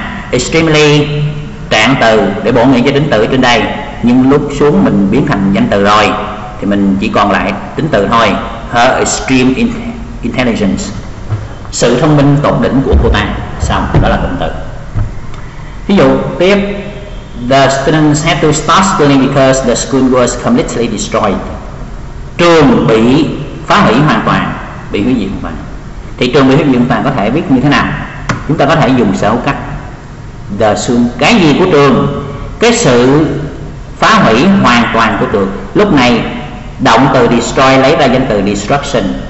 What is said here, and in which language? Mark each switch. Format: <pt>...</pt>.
<vi>Extremely trạng từ để bổ nghĩa cho tính từ ở trên đây, nhưng lúc xuống mình biến thành danh từ rồi thì mình chỉ còn lại tính từ thôi.</vi> <en>Her extreme intelligence,</en> <vi>sự thông minh tột đỉnh của cô ta. Xong, đó là cụm từ. Ví dụ tiếp.</vi> <en>The students had to start schooling because the school was completely destroyed.</en> <vi>Trường bị phá hủy hoàn toàn, bị hủy diệt hoàn toàn. Thì trường bị hủy diệt hoàn toàn có thể viết như thế nào? Chúng ta có thể dùng sở hữu cách. The school, cái gì của trường? Cái sự phá hủy hoàn toàn của trường. Lúc này động từ destroy lấy ra danh từ destruction.</vi>